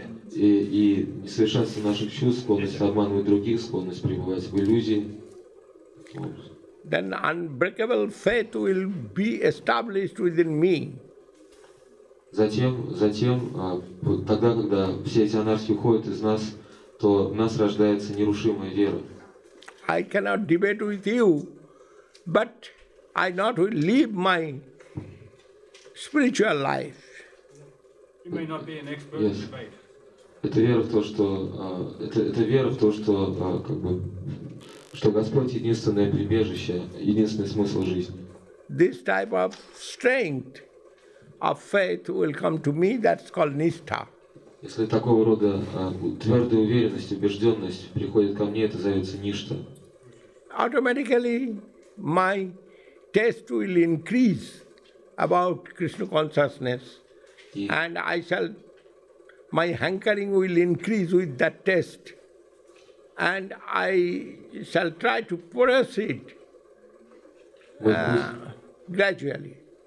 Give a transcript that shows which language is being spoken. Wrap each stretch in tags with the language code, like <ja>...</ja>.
<ru>И несовершенство наших чувств, склонность обманывать других, склонность пребывать в иллюзии.</ru> <en>Then unbreakable faith will be established within me.</en> <ru>Затем, тогда, когда все эти анархи уходят из нас, то в нас рождается нерушимая вера.</ru> <en>I cannot debate with you, but I not will leave my spiritual life. You may not be an expert in debate.</en> <ru>Это вера в то, что это вера в то, что как бы что Господь единственное прибежище, единственный смысл жизни.</ru> <en>This type of strength of faith will come to me. That's called Ништха.</en> <ru>Если такого рода твердая уверенность, убежденность приходит ко мне, это зовется Ништха.</ru> <en>Automatically, my taste will increase about Krishna consciousness, and my hankering will increase with that taste, and I shall try to purify it gradually.</en>